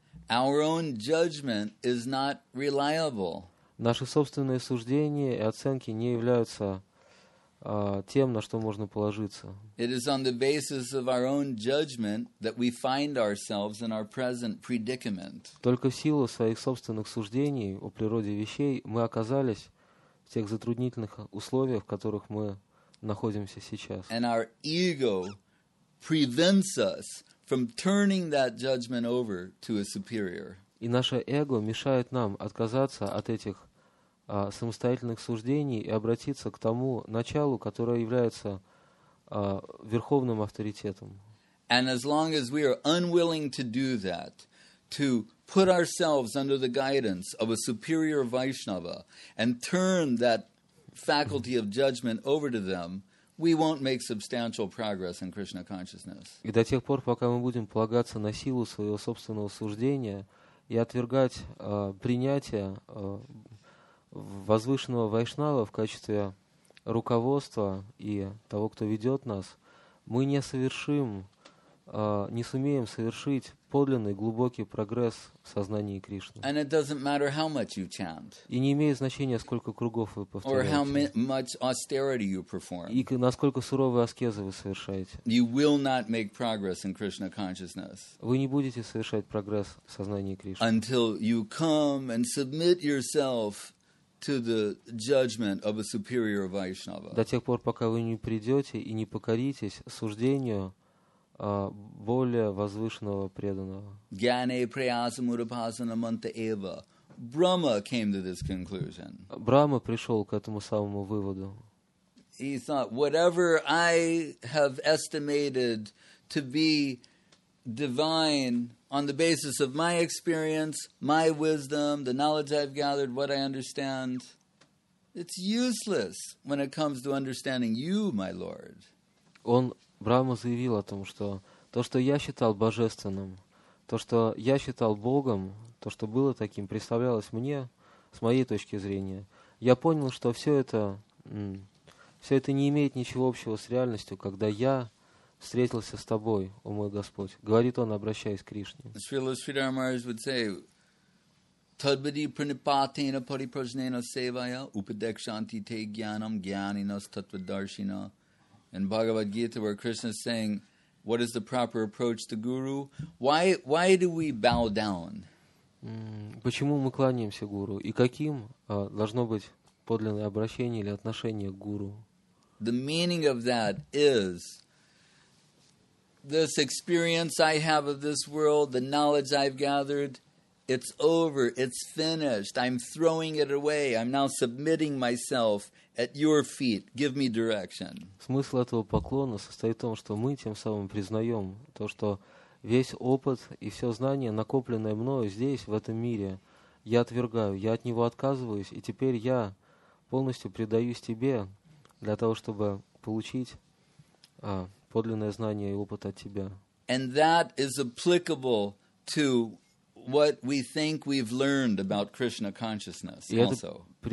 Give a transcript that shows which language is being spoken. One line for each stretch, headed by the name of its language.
English: Our own judgment is not reliable.
Russian: Наши собственные суждения и оценки не являются тем, на что можно положиться.
English: It is on the basis of our own judgment that we find ourselves in our present predicament.
Russian: Только в силу своих собственных суждений о природе вещей мы оказались в тех затруднительных условиях, в которых мы находимся сейчас.
English: And our ego prevents us from turning that judgment over to a superior.
Russian: И наше эго мешает нам отказаться от этих самостоятельных суждений и обратиться к тому началу, которое является верховным авторитетом.
English: And as long as we are unwilling to do that, to put ourselves under the guidance of a superior Vaishnava and turn that faculty of judgment over to them, we won't make substantial progress in Krishna consciousness.
Russian: И до тех пор, пока мы будем полагаться на силу своего собственного суждения и отвергать принятие возвышенного вайшнава в качестве руководства и того, кто ведет нас, мы не совершим не сумеем совершить подлинный глубокий прогресс в сознании Кришны.
English: And it doesn't matter how much you chant.
Russian: И не имеет значения, сколько кругов вы повторяете.
English: Or how much austerity you perform.
Russian: И насколько суровые аскезы вы совершаете.
English: You will not make progress in Krishna consciousness.
Russian: Вы не будете совершать прогресс в сознании Кришны.
English: Until you come and submit yourself to the judgment of a superior Vaishnava.
Russian: До тех пор, пока вы не придете и не покоритесь суждению более возвышенного преданного.
Sanskrit: Gyane prayasa mudapasana manta eva.
English: Brahma came to this conclusion.
Russian: Брама пришел к этому самому выводу.
English: He thought, whatever I have estimated to be divine on the basis of my experience, my wisdom, the knowledge I've gathered, what I understand, it's useless when it comes to understanding you, my lord.
Russian: Он, Брама, заявил о том, что то, что я считал божественным, то, что я считал Богом, то, что было таким, представлялось мне, с моей точки зрения. Я понял, что все это не имеет ничего общего с реальностью, когда я встретился с тобой, о мой Господь. Говорит он, обращаясь к Кришне.
English: Srila Sridhar Maharaj would say,
Sanskrit: Tadvati pranipatena paripajnena sevaya upadekshanti te gyanam gyaninas tatvadarshina.
English: In Bhagavad Gita, where Krishna is saying, what is the proper approach to Guru? Why do we bow down?
Russian: Почему мы кланяемся Гуру? И каким должно быть подлинное обращение или отношение к Гуру?
English: The meaning of that is, this experience I have of this world, the knowledge I've gathered, it's over, it's finished, I'm throwing it away, I'm now submitting myself at your feet, give me direction.
Russian: Смысл этого поклона состоит в том, что мы тем самым признаем то, что весь опыт и все знание, накопленное мною здесь, в этом мире, я отвергаю, я от него отказываюсь, и теперь я полностью предаюсь тебе для того, чтобы получить подлинное знание и опыт от тебя.
English: And that is applicable to what we think we've learned about Krishna consciousness also.